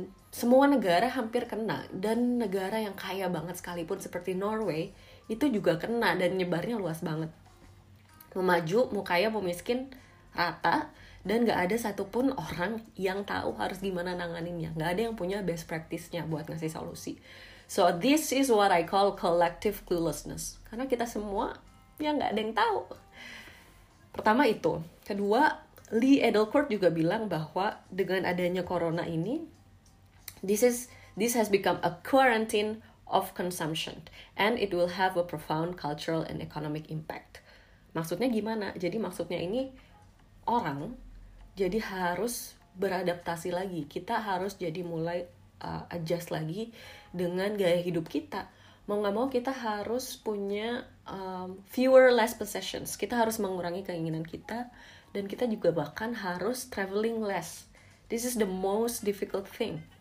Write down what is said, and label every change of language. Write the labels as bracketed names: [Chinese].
[Indonesian] Semua negara hampir kena, dan negara yang kaya banget sekalipun seperti Norway itu juga kena dan nyebarnya luas banget. Mau maju, mau kaya, mau miskin, rata, dan nggak ada satupun orang yang tahu harus gimana nanganinnya. Nggak ada yang punya best practice-nya buat ngasih solusi. [English] So this is what I call collective cluelessness. [Indonesian] Karena kita semua ya nggak ada yang tahu. Pertama itu. Kedua, Lee Edelcourt juga bilang bahwa dengan adanya corona ini, [English] this has become a quarantine of consumption and it will have a profound cultural and economic impact. [Indonesian] Maksudnya gimana? Jadi maksudnya ini orang jadi harus beradaptasi lagi. Kita harus jadi mulai adjust lagi dengan gaya hidup kita. Mau gak mau kita harus punya [English] fewer less possessions. [Indonesian] Kita harus mengurangi keinginan kita. Dan kita juga bahkan harus traveling less. [English] This is the most difficult thing.